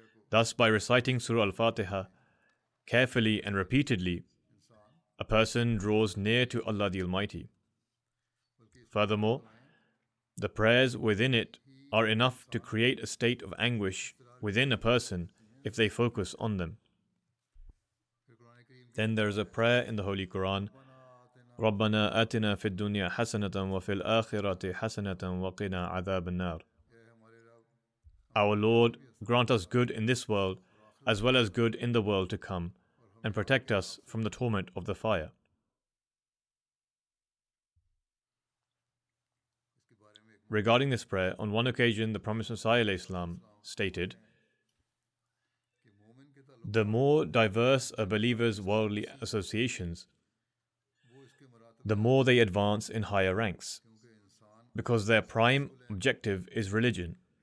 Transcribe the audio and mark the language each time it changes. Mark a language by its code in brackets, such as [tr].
[en] Thus, by reciting Surah Al-Fatiha carefully and repeatedly, a person draws near to Allah the Almighty. Furthermore, the prayers within it are enough to create a state of anguish within a person if they focus on them. Then there is a prayer in the Holy Quran, [ar] رَبَّنَا آتِنَا فِي الدُّنْيَا حَسَنَةً وَفِي الْآخِرَةِ حَسَنَةً وَقِنَا عَذَابَ النَّارِ. [en] Our Lord, grant us good in this world as well as good in the world to come, and protect us from the torment of the fire. Regarding this prayer, on one occasion the Promised Messiah ﷺ stated, "The more diverse a believer's worldly associations, the more they advance in higher ranks, because their prime objective is religion.